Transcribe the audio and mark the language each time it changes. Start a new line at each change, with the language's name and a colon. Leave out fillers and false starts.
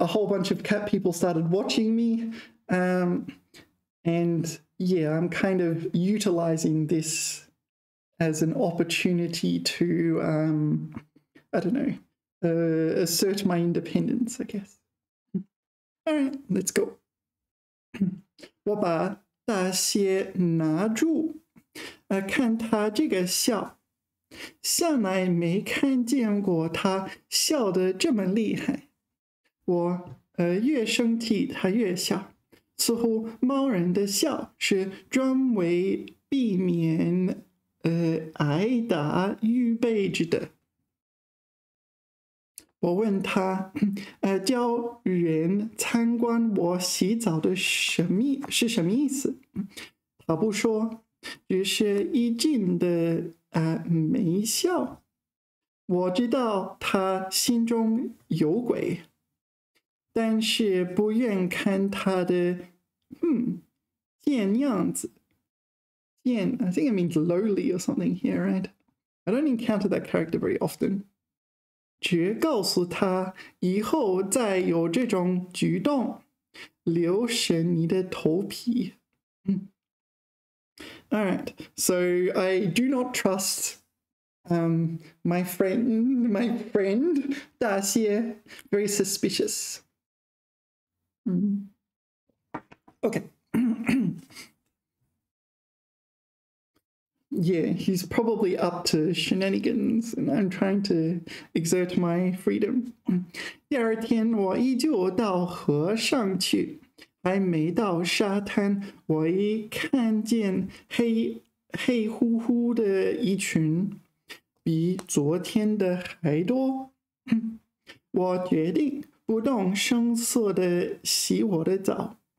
English: A whole bunch of cat people started watching me. I'm kind of utilizing this as an opportunity to, assert my independence, I guess. All right, let's go. Wabba.
Chinese: 大仙拿住，看他这个笑，向来没看见过他笑得这么厉害。我越生气，他越笑。似乎猫人的笑是专为避免挨打预备着的。我问他，教人参观我洗澡的是什么意思？他不说，只是一劲的没笑。我知道他心中有鬼，但是不愿看他的贱样子。
English: 贱 ，I think it means lowly or something here, right? I don't encounter that character very often.
Chinese: 只告诉他以后再有这种举动留神你的头皮。
English: Alright, so I do not trust my friend, 大仙, very suspicious. Okay. Yeah, he's probably up to shenanigans, and I'm trying to exert my freedom.
Chinese: 第二天我依旧到河上去，还没到沙滩，我一看见黑乎乎的一群，比昨天的还多。我决定不动声色地洗我的澡。